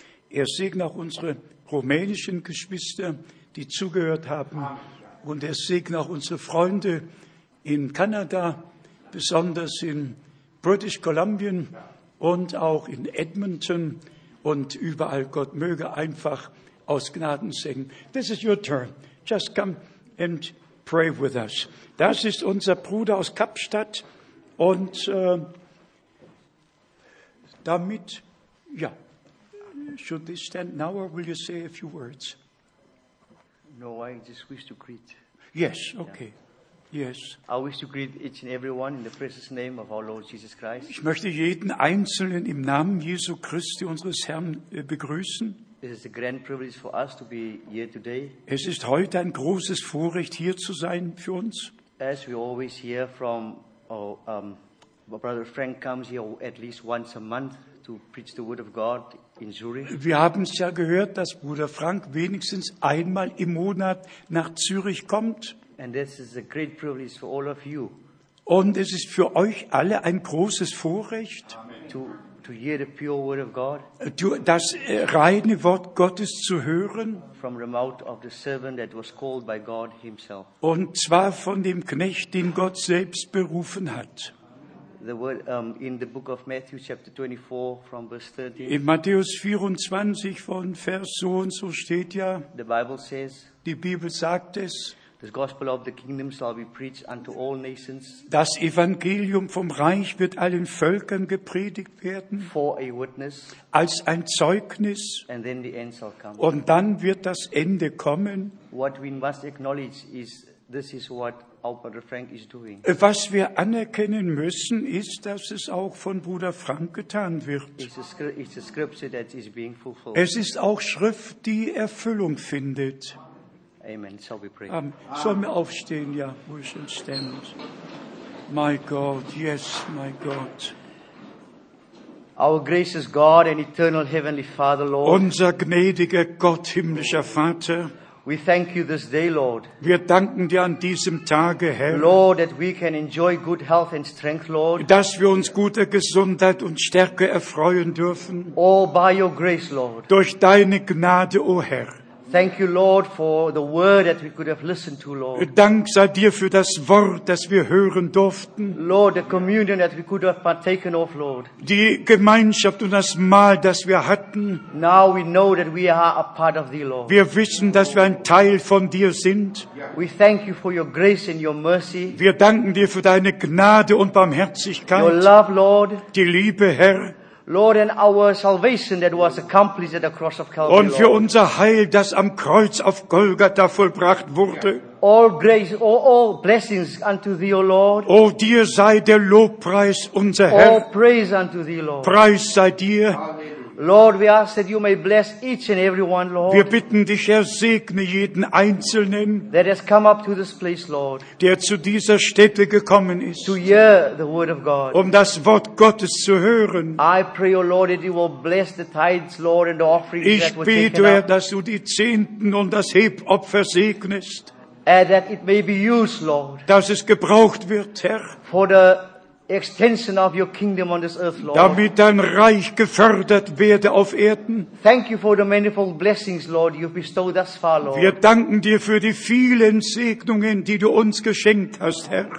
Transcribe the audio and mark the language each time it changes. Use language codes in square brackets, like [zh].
[de] Er segne auch unsere rumänischen Geschwister, die zugehört haben. Und er segne auch unsere Freunde in Kanada, besonders in British Columbia und auch in Edmonton. Und überall, Gott möge einfach aus Gnaden singen. [en] This is your turn. Just come and pray with us. [de] Das ist unser Bruder aus Kapstadt. Und damit, ja, [en] should this stand now or will you say a few words? No, I just wish to greet. Yes, okay. Yes. I wish to greet each and everyone in the precious name of our Lord Jesus Christ. [de] Ich möchte jeden Einzelnen im Namen Jesu Christi, unseres Herrn, begrüßen. [en] It is a grand privilege for us to be here today. [de] Es ist heute ein großes Vorrecht, hier zu sein für uns. [en] As we always hear from our brother Frank comes here at least once a month to preach the word of God in Zurich. [de] Wir haben es ja gehört, dass Bruder Frank wenigstens einmal im Monat nach Zürich kommt. [en] And this is a great privilege for all of you. [de] Und es ist für euch alle ein großes Vorrecht, [en] to hear the pure word of God, [de] das reine Wort Gottes zu hören, [en] from the mouth of the servant that was called by God himself. [de] Und zwar von dem Knecht, den Gott selbst berufen hat. [en] The word, in the book of Matthew, chapter 24, from verse 13. [de] In Matthäus 24, von Vers so und so steht ja, [en] the Bible says, [de] die Bibel sagt es, [en] this gospel of the kingdom shall be preached unto all nations. [de] Das Evangelium vom Reich wird allen Völkern gepredigt werden. [en] For a witness. [de] Als ein Zeugnis. [en] And then the end shall come. [de] Und dann wird das Ende kommen. [en] What we must acknowledge is this is what our brother Frank is doing. [de] Was wir anerkennen müssen, ist, dass es auch von Bruder Frank getan wird. [en] It's a scripture that is being fulfilled. [de] Es ist auch Schrift, die Erfüllung findet. [en] Amen. Shall we pray? [de] Sollen wir aufstehen? Ja, [en] we shall stand. My God, yes, my God. Our gracious God and eternal heavenly Father, Lord. [de] Unser gnädiger Gott, himmlischer Vater. [en] We thank you this day, Lord. [de] Wir danken dir an diesem Tage, Herr. [en] Lord, that we can enjoy good health and strength, Lord. [de] Dass wir uns guter Gesundheit und Stärke erfreuen dürfen. [en] All by your grace, Lord. [de] Durch deine Gnade, o Herr. [en] Thank you, Lord, for the word that we could have listened to, Lord. [de] Dank sei dir für das Wort, das wir hören durften. [en] Lord, the communion that we could have partaken of, Lord. [de] Die Gemeinschaft und das Mahl, das wir hatten. [en] Now we know that we are a part of thee, Lord. [de] Wir wissen, dass wir ein Teil von dir sind. [en] We thank you for your grace and your mercy. [de] Wir danken dir für deine Gnade und Barmherzigkeit. [en] Your love, Lord. [de] Die Liebe, Herr. [en] Lord, and our salvation that was accomplished at the cross of Calvary. [de] Und für unser Heil, das am Kreuz auf Golgatha vollbracht wurde. [en] All grace, all blessings unto thee, O Lord. [de] O dir sei der Lobpreis, unser Herr. [en] All praise unto thee, Lord. [de] Preis sei dir. [en] Lord, we ask that you may bless each and every one, Lord. [de] Wir bitten dich, Herr, segne jeden Einzelnen, [en] that has come up to this place, Lord. [de] Der zu dieser Stätte gekommen ist, [en] to hear the word of God. [de] Um das Wort Gottes zu hören. [en] I pray, O Lord, that you will bless the tithes, Lord, and the offerings that were taken up. [de] Ich bete, Herr, dass du die Zehnten und das Hebopfer segnest. [en] And that it may be used, Lord. [de] Dass es gebraucht wird, Herr. [en] For the extension of your kingdom on this earth, Lord. [de] Damit dein Reich gefördert werde auf Erden. [en] Thank you for the manifold blessings, Lord, you've bestowed thus far, Lord. [de] Wir danken dir für die vielen Segnungen, die du uns geschenkt hast, Herr.